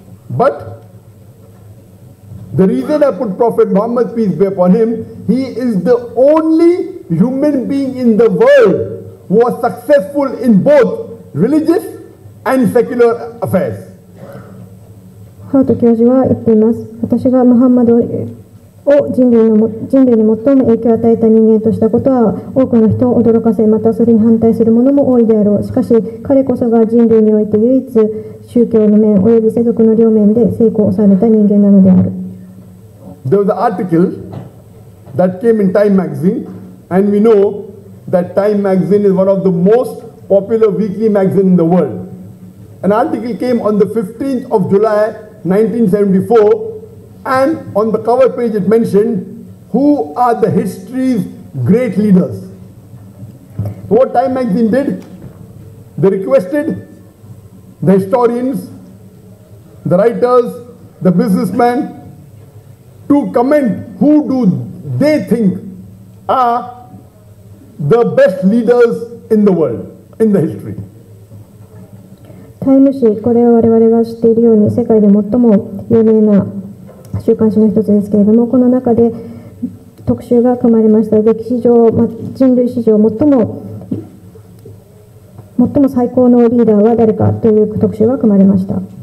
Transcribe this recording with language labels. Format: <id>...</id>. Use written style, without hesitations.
<en>But the reason I put Prophet Muhammad, peace be upon him, he is the only human being in the world who was successful in both religious. And secular affairs.</en> <ja>ハート教授は言っています。私がムハンマドを人類に最も影響を与えた人間としたことは多くの人を驚かせ、またそれに反対する者も多いであろう。しかし彼こそが人類において唯一宗教の面および世俗の両面で成功を収めた人間なのである。</ja> <en>There was an article that came in Time magazine, and we know that Time magazine is one of the most popular weekly magazine in the world. An article came on the 15th of July 1974, and on the cover page it mentioned, who are the history's great leaders? So what Time magazine did, they requested the historians, the writers, the businessmen to comment who do they think are the best leaders in the world, in the history.</en> <ja>Time 誌、これは我々が知っているように世界で最も有名な週刊誌の一つですけれども、この中で特集が組まれました。歴史上、人類史上最も最高のリーダーは誰かという特集が組まれました。</ja>